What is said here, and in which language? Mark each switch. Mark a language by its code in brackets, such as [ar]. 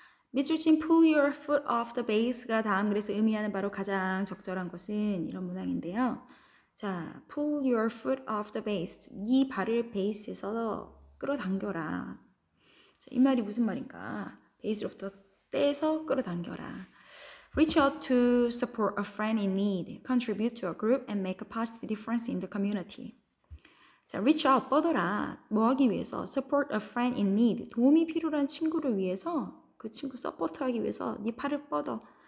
[ko] 밑줄 친 [en] pull your foot off the base [ko] 가 다음 그래서 의미하는 바로 가장 적절한 것은 이런 문항인데요. [en] 자, pull your foot off the base. [ko] 네 발을 베이스에서 끌어당겨라. 자, 이 말이 무슨 말인가? 베이스로부터 떼서 끌어당겨라. [en] Reach out to support a friend in need. Contribute to a group and make a positive difference in the community. [ko] 자, [en] reach out, [ko] 뻗어라. 뭐 하기 위해서? [en] Support a friend in need. [ko] 도움이 필요한 친구를 위해서 그 친구 서포터하기 위해서 네 팔을 뻗어.